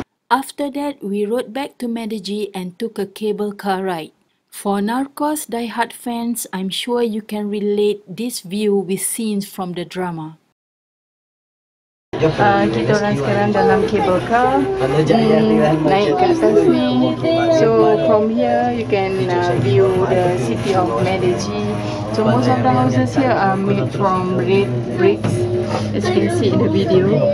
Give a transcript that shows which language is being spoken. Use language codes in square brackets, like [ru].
[en] After that, we rode back to Medellin and took a cable car ride. For Narcos diehard fans, I'm sure you can relate this view with scenes from the drama. [ms] Kita orang sekarang dalam cable car, naik ke atas ni. [en] So from here you can view the city of Medellin. So most of the houses here are made from red bricks, as you can see in the video.